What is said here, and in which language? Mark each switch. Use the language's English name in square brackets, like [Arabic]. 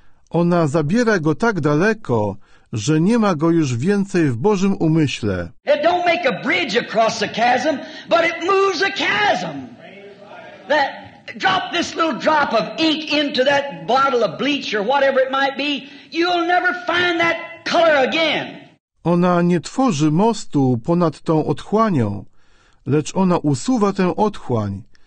[Polish] Ona zabiera go tak daleko, że nie ma go już więcej w Bożym umyśle. [English] It don't make a bridge across the chasm, but it moves a chasm. That drop this little drop of ink into that bottle of bleach or whatever it might be, you'll never find that color again. [Polish] Ona nie tworzy mostu ponad tą otchłanią, lecz ona usuwa tę otchłań.